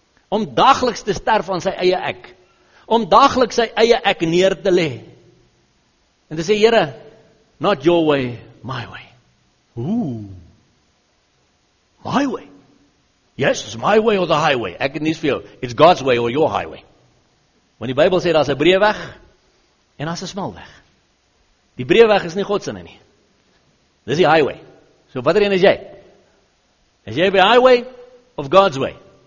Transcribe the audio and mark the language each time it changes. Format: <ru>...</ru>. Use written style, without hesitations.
<af>Om dagliks te sterf aan sy eie ek. Om dagliks sy eie ek neer te leef. En te sê,</af> <en>Here, not your way, my way. Ooh, my way. Yes, it's my way or the highway.</en> <af>Ek het nie vir jou.</af> <en>It's God's way or your highway.</en> <af>Want die Bybel sê daar's 'n breë weg en daar's 'n smal weg. Die breë weg is nie God se nie. Dis die highway. So watter een is jy? Is jy by die highway of</af> <en>God's way?</en>